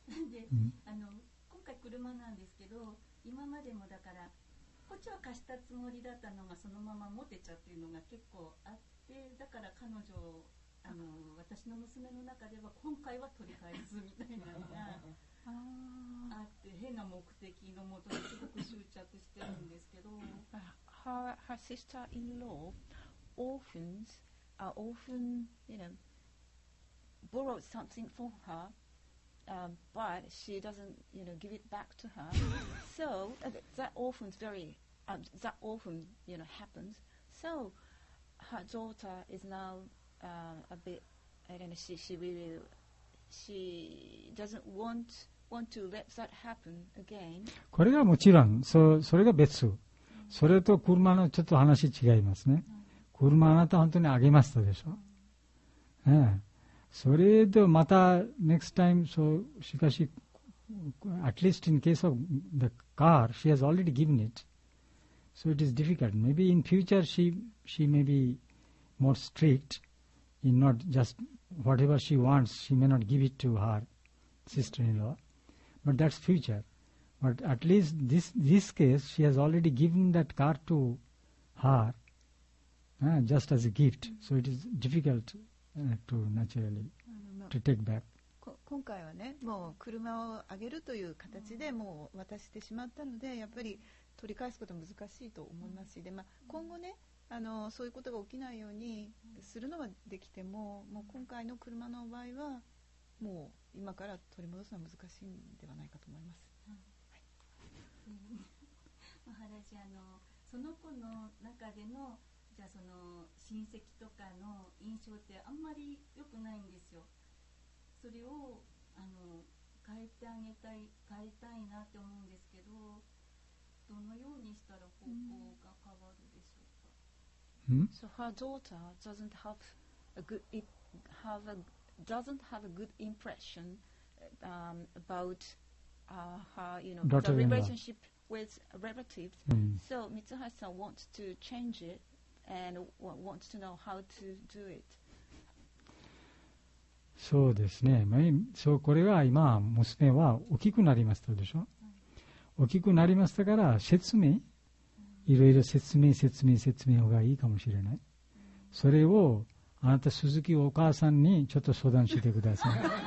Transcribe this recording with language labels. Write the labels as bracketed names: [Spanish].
[Japanese] で、うん、あの今回車なんですけど、今までもだからこっちは貸したつもりだったのがそのまま持てちゃうっていうのが結構あって、だから彼女を、あの、私の娘の中では今回は取り返すみたいなのがあって、変な目的のもとにすごく執着してるんですけど。 [English] Her sister-in-law orphans, orphan, you know, borrowed something for her, but she doesn't, you know, give it back to her. So that orphan's very that often, you know, happens. So her daughter is now a bit, I don't know, she doesn't want to let that happen again. [Japanese] これがもちろん、それが別。それと車のちょっと話違いますね。車あなた本当にあげましたでしょ。ええ、それとまた [English] next time、so、 [Japanese] しかし、 [English] at least in case of the car, she has already given it. So it is difficult. Maybe in future she may be more strict in not just whatever she wants, she may not give it to her sister-in-law. But that's future. But at least this case, she has already given that car to her just as a gift. So it is difficult to naturally to take back. [Japanese] 今回はね、もう車をあげるという形でもう渡してしまったので、やっぱり取り返すことは難しいと思いますし、で、まあ、今後ね、あの、そういうことが起きないようにするのはできても、もう今回の車の場合はもう今から取り戻すのは難しいんではないかと思います。マハラジ、あの、その子の中でのじゃあその親戚とかの印象ってあんまり良くないんですよ。それを、あの、変えてあげたい、変えたいなって思うんですけど、どのようにしたら方向が変わるでしょうか。 [English] So her daughter doesn't have a good, doesn't have a good impression about her, you know, the relationship with relatives. So Mitsuhashi-san wants to change it and wants to know how to do it. [Japanese] そうですね、まあ、そう、これは今娘は大きくなりましたでしょ、大きくなりましたから説明、いろいろ説明がいいかもしれない。それをあなた鈴木お母さんにちょっと相談してください。